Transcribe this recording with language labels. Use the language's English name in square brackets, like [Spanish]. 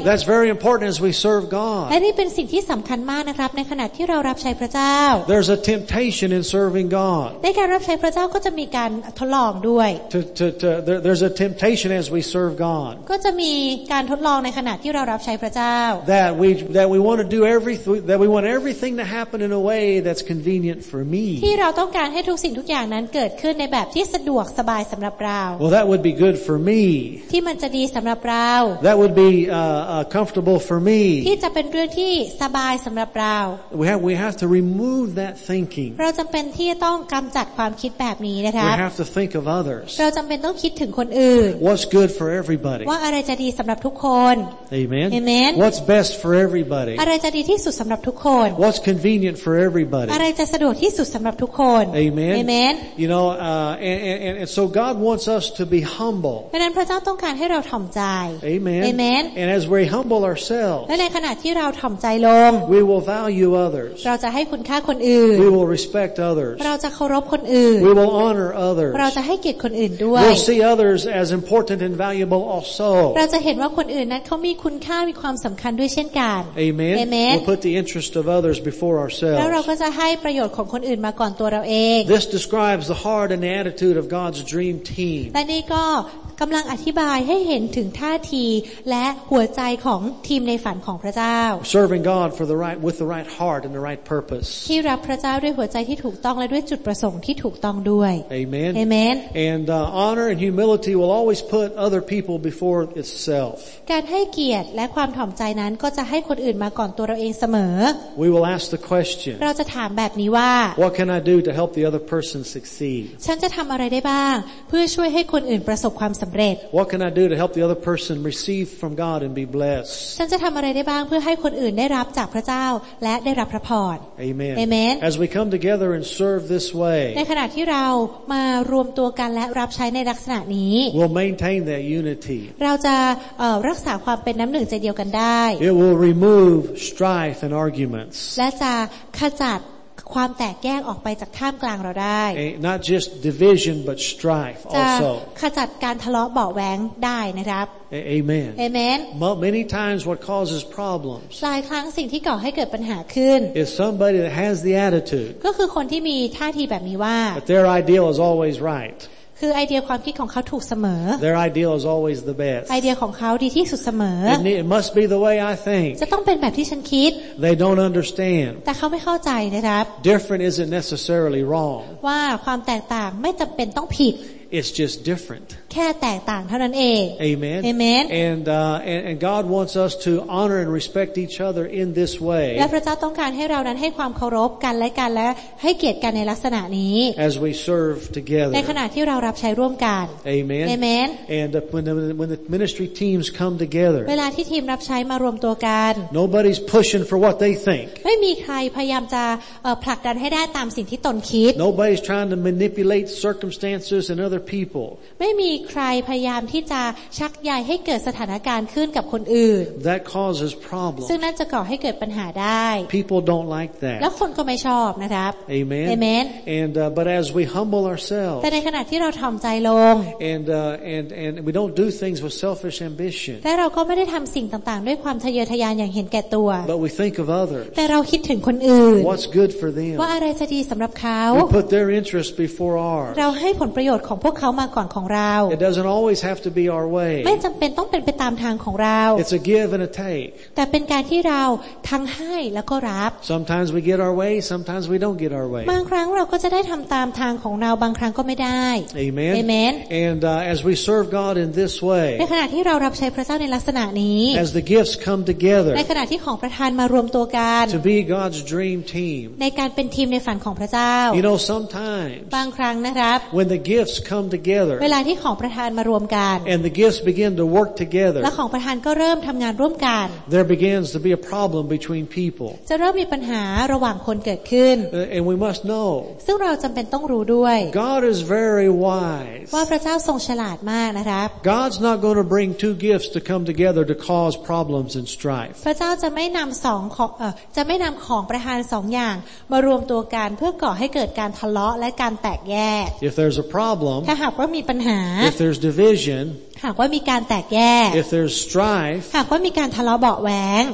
[English] That's very important as we serve God. [Thai] และนี่เป็นสิ่งที่สำคัญมากนะครับในขณะที่เรารับใช้พระเจ้า [English] There's a temptation in serving God. [Thai] ในการรับใช้พระเจ้าก็จะมีการทดลองด้วย [English] There's a temptation as we serve God. [Thai] ก็จะมีการทดลองในขณะที่เรารับใช้พระเจ้า [English] That we want want to do everything that we want everything to happen in a way that's convenient for me. [Thai] ที่เราต้องการให้ทุกสิ่งทุกอย่างนั้นเกิดขึ้นในแบบที่สะดวกสบายสำหรับเรา [English] Well, that would be good for me. [Thai] ที่มันจะดีสำหรับเรา [English] That would be comfortable for me. [Thai] ที่จะเป็นเรื่องที่สบายสำหรับเรา [English] We have to remove that thinking. [Thai] เราจำเป็นที่ต้องกำจัดความคิดแบบนี้นะคะ [English] We have to think of others. [Thai] เราจำเป็นต้องคิดถึงคนอื่น [English] What's good for everybody? [Thai] ว่าอะไรจะดีสำหรับทุกคน [English] Amen. Amen. What's best for everybody? [Thai] อะไรจะดีที่สุดสำหรับทุกคน [English] What's convenient for everybody? [Thai] อะไรจะสะดวกที่สุดสำหรับทุกคน [English] Amen. Amen. You know, and so God wants us to be humble. [Thai] ดังนั้นพระเจ้าต้องการให้เราถ่อมใจ [English] Amen. Amen. And as we humble ourselves, [Thai] และในขณะที่เราถ่อมใจลง [English] we will value others. [Thai] เราจะให้คุณค่าคนอื่น [English] We will respect others. [Thai] เราจะเคารพคนอื่น [English] We will honor others. [Thai] เราจะให้เกียรติคนอื่นด้วย [English] We'll see others as important and valuable also. [Thai] เราจะเห็นว่าคนอื่นนั้นเขามีคุณค่ามีความสำคัญด้วยเช่นกัน [English] Amen. Amen. We'll put the interest of others before ourselves. [Thai] แล้วเราก็จะให้ประโยชน์ของคนอื่นมาก่อนตัวเราเอง [English] This describes the heart and the attitude of God's dream team. [Thai] และนี่ก็กำลังอธิบายให้เห็นถึงท่าทีและหัวใจของทีมในฝันของพระเจ้า [English] Serving God for the right with the right heart and the right purpose. [Thai] ที่รับพระเจ้าด้วยหัวใจที่ถูกต้องและด้วยจุดประสงค์ที่ถูกต้องด้วย [English] Amen. Amen. And honor and humility will always put other people before itself. [Thai] การให้เกียรติและความถ่อมใจนั้นก็จะให้คนอื่นมาก่อนตัวเราเองเสมอ [English] We will ask the question. [Thai] เราจะถามแบบนี้ว่า [English] What can I do to help the other person succeed? [Thai] ฉันจะทำอะไรได้บ้างเพื่อช่วยให้คนอื่นประสบความ [English] What can I do to help the other person receive from God and be blessed? [Thai] ฉันจะทำอะไรได้บ้างเพื่อให้คนอื่นได้รับจากพระเจ้าและได้รับพระพร [English] Amen. Amen. As we come together and serve this way, [Thai] ในขณะที่เรามารวมตัวกันและรับใช้ในลักษณะนี้ [English] we'll maintain that unity. [Thai] เราจะรักษาความเป็นน้ำหนึ่งใจเดียวกันได้ [English] It will remove strife and arguments. [Thai] และจะขจัดความแตกแยกออกไปจากท่ามกลางเราได้ [English] not just division but strife also [Thai] จะขจัดการทะเลาะเบาะแว้งได้นะครับ [English] amen amen many times what causes problems [Thai] หลายครั้งสิ่งที่ก่อให้เกิดปัญหาขึ้น [English] is somebody that has the attitude [Thai] ก็คือคนที่มีท่าทีแบบนี้ว่า [English] but their ideal is always right [Thai] คือไอเดียความคิดของเขาถูกเสมอ [English] Their ideal is always the best. [Thai] ไอเดียของเขาดีที่สุดเสม [English] อ It must be the way I think. [Thai] จะต้องเป็นแบบที่ฉันคิด [English] They don't understand. [Thai] แต่เขาไม่เข้าใจนะครับ [English] Different isn't necessarily wrong. [Thai] ว่าความแตกต่างไม่จำเป็นต้องผิด [English] It's just different. [Thai] แค่แตกต่างเท่านั้นเอง [English] Amen. Amen. And God wants us to honor and respect each other in this way. [Thai] และพระเจ้าต้องการให้เรานั้นให้ความเคารพกันและกันและให้เกียรติกันในลักษณะนี้ [English] As we serve together. [Thai] ในขณะที่เรารับใช้ร่วมกัน [English] Amen. Amen. And when the ministry teams come together. [Thai] เวลาที่ทีมรับใช้มารวมตัวกัน [English] Nobody's pushing for what they think. [Thai] ไม่มีใครพยายามจะผลักดันให้ได้ตามสิ่งที่ตนคิด [English] Nobody's trying to manipulate circumstances and other [Thai] ไม่มีใครพยายามที่จะชักใยให้เกิดสถานการณ์ขึ้นกับคนอื่น [English] That causes problems [Thai] ซึ่งนั่นจะก่อให้เกิดปัญหาได้ [English] People don't like that [Thai] แล้วคนก็ไม่ชอบนะครับ [English] Amen Amen And but as we humble ourselves [Thai] แต่ในขณะที่เราถ่อมใจลง [English] And we don't do things with selfish ambition [Thai] แต่เราก็ไม่ได้ทำสิ่งต่างๆด้วยความทะเยอทะยานอย่างเห็นแก่ตัว [English] But we think of others [Thai] แต่เราคิดถึงคนอื่น [English] What's good for them [Thai] ว่าอะไรจะดีสำหรับเขา [English] We put their interest before ours [Thai] เราให้ผลประโยชน์ของพวกเขามาก่อนของเรา [English] It doesn't always have to be our way [Thai] ไม่จำเป็นต้องเป็นไปตามทางของเรา [English] It's a give and a take [Thai] แต่เป็นการที่เราทั้งให้แล้วก็รับ [English] Sometimes we get our way sometimes we don't get our way [Thai] บางครั้งเราก็จะได้ทำตามทางของเราบางครั้งก็ไม่ได้ [English] Amen Amen And as we serve God in this way [Thai] ในขณะที่เรารับใช้พระเจ้าในลักษณะนี้ [English] As the gifts come together [Thai] ในขณะที่ของประทานมารวมตัวกัน [English] To be God's dream team [Thai] ในการเป็นทีมในฝันของพระเจ้า [English] You know sometimes [Thai] บางครั้งนะครับ [English] When the gifts comeTogether, [Thai] เวลาที่ของประธานมารวมกัน [English] and the gifts begin to work together, [Thai] และของประธานก็เริ่มทำงานร่วมกัน [English] there begins to be a problem between people. [Thai] จะเริ่มมีปัญหาระหว่างคนเกิดขึ้น [English] and we must know. [Thai] ซึ่งเราจำเป็นต้องรู้ด้วย [English] God is very wise. [Thai] ว่าพระเจ้าทรงฉลาดมากนะครับ [English] God's not going to bring two gifts to come together to cause problems and strife. [Thai] พระเจ้าจะไม่นำสองของจะไม่นำของประธานสองอย่างมารวมตัวกันเพื่อก่อให้เกิดการทะเลาะและการแตกแยก [English] If there's a problem. [Thai] ถ้าหากว่ามีปัญหา [English] If there's division [Thai] หากว่ามีการแตกแยก [English] If there's strife [Thai] หากว่ามีการทะเลาะเบาะแว้ง